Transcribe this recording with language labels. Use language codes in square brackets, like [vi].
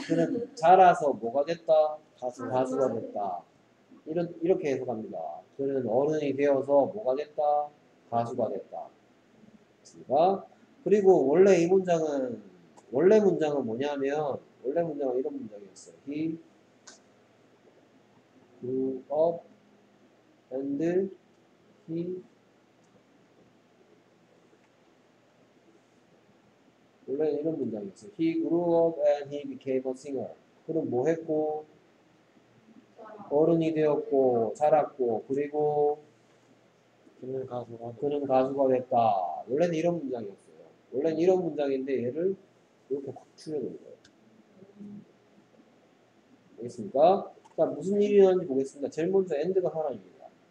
[ko] 그는 자라서 뭐가 됐다? 가수가 됐다. 이렇게 해석합니다. 그는 어른이 되어서 뭐가 됐다? 가수가 됐다. 그렇습니까? 그리고 원래 이 문장은 원래 문장은 뭐냐면 원래 문장은 이런 문장이었어요. [en] He grew up and he He grew up and he became a singer. [ko] 그는 뭐 했고? 어른이 되었고, 자랐고, 그리고 그는 가수가 됐다. 원래는 이런 문장이었어요. 원래는 이런 문장인데 얘를 이렇게 확 추려놓은 거예요. 알겠습니까? 자, 무슨 일이 일어났는지 보겠습니다. 제일 먼저 end가 사라집니다.